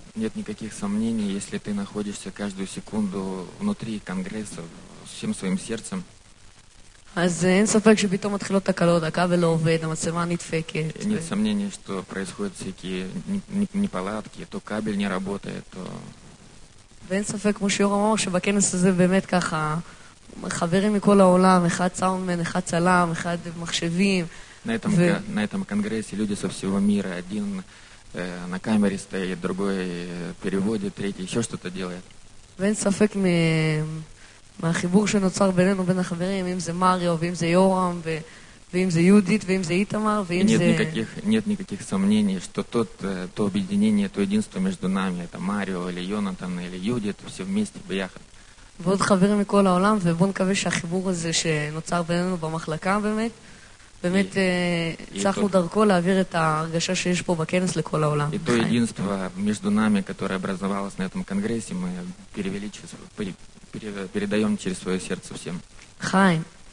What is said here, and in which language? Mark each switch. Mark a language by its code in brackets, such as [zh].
[ru] Нет никаких сомнений, если ты находишься каждую секунду внутри конгресса всем своим сердцем. [he] אז אין ספק שפתאום מתחילות תקלות, הקבל לא עובד, המצלמה נדפקת. [ru] Нет сомнений, что происходят всякие неполадки, то кабель не работает, то... [he] ואין ספק, כמו שיורם אמר, שבכנס הזה באמת ככה, חברים מכל העולם, אחד סאונדמן, אחד צלם, אחד מחשבים. [ru] На этом конгрессе люди со всего мира один... на камере стоит, другой переводит, третий еще что-то делает. [he] ואין ספק מהחיבור שנוצר בינינו בין החברים, אם זה מריו, ואם זה יורם, ואם זה יהודית, ואם זה איתמר, ואם זה... [ru] Нет никаких сомнений, что то объединение, то единство между нами, это Марио, или Йонатан, или Юдит, все вместе, [he] ביחד. ועוד חברים מכל העולם, ובוא נקווה שהחיבור הזה שנוצר בינינו במחלקה באמת, באמת הצלחנו דרכו להעביר את ההרגשה שיש פה בכנס לכל העולם. [ru] И то единство между нами, которое образовалось на этом конгрессе, мы передаем через свое сердце всем. Хайм.